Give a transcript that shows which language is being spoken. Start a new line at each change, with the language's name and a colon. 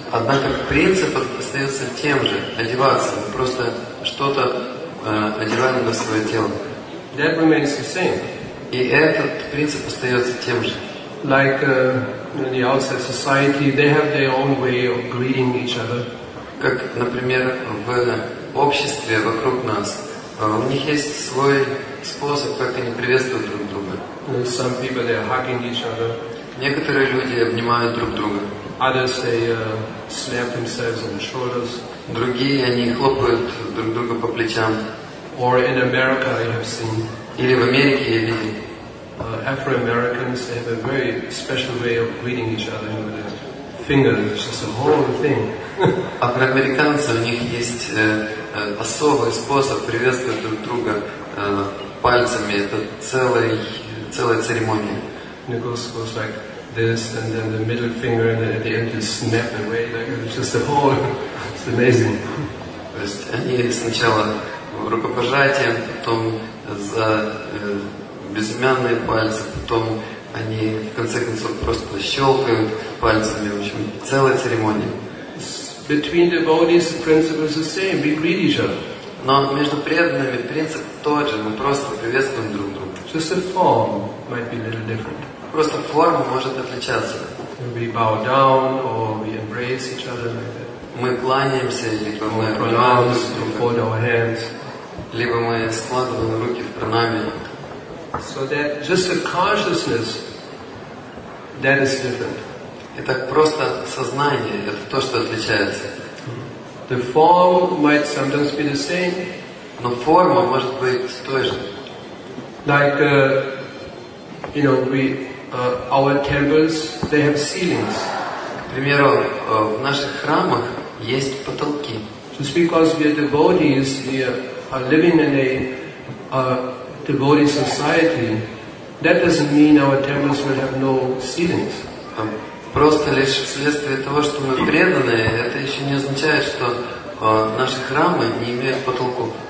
Russian: Однако принцип остается тем же. Одеваться, просто что-то одеваем на свое тело.
English: That remains the same.
Russian: И этот принцип остается тем же.
English: Like in the outside society, they have their own way of greeting each other.
Russian: Как, например, в обществе вокруг нас, у них есть свой способ, как они приветствуют друг друга.
English: Some people they are hugging each other.
Russian: Некоторые люди обнимают друг друга.
English: Others they slap themselves on the shoulders.
Russian: Другие они хлопают друг друга по плечам.
English: Or in America I have seen.
Russian: Или в Америке я видел.
English: Afro-Americans they have a very special way of greeting each other with their fingers. It's just a whole thing.
Russian: Афроамериканцы, у них есть особый способ приветствовать друг друга пальцами. Это целая церемония.
English: And it goes like this, and then the middle finger, and then at the end you snap away. Like, it's just a whole. It's amazing.
Russian: То есть они сначала рукопожатием, потом за безымянные пальцы, потом они в конце концов просто щелкают пальцами. В общем, целая церемония.
English: Between devotees, the principle is the same. We greet each other.
Russian: Но между преданными принцип тот же. Мы просто приветствуем друг друга.
English: Just the form might be a little different.
Russian: Просто форма может отличаться.
English: We bow down or we embrace each other like that.
Russian: Мы кланяемся, либо мы обнимаемся,
English: fold our hands,
Russian: либо мы складываем руки в пранаме.
English: So that just the consciousness, that is different.
Russian: Итак, просто сознание — это то, что отличается.
English: The form might sometimes be the same.
Russian: Но форма может быть той же.
English: Like, you know, our temples, they have ceilings.
Russian: К примеру, в наших храмах есть потолки.
English: Just because we are devotees, we are living in a devotee society, that doesn't mean our temples will have no ceilings.
Russian: Просто лишь вследствие того, что мы преданные, это еще не означает, что наши храмы не имеют потолков.